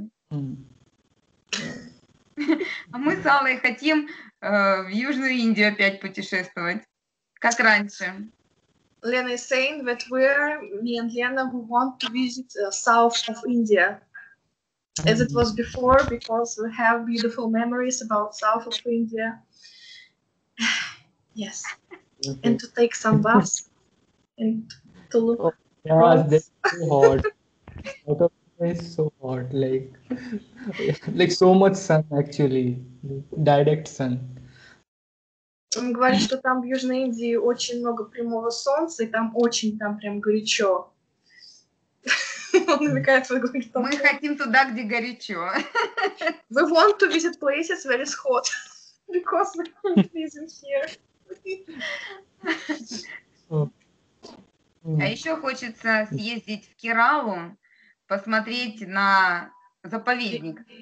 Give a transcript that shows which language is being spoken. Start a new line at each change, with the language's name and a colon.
Russian: Мы с Аллой хотим в Южную Индию опять путешествовать, как раньше.
English: Lena is saying that we're, me and Lena, we want to visit south of India, as it was before, because we have beautiful memories about south of India. Yes. Okay. And to take some baths and to look. Oh, yeah, that's too hot. Out of India is so hot, like so much sun actually, direct sun.
Russian: Он говорит, что там в Южной Индии очень много прямого солнца, и там очень там прям горячо. Он намекает, что говорит, мы хотим туда, где горячо.
English: We want to visit places where it's hot, because we can't visit here.
Russian: А еще хочется съездить в Кералу, посмотреть на заповедник.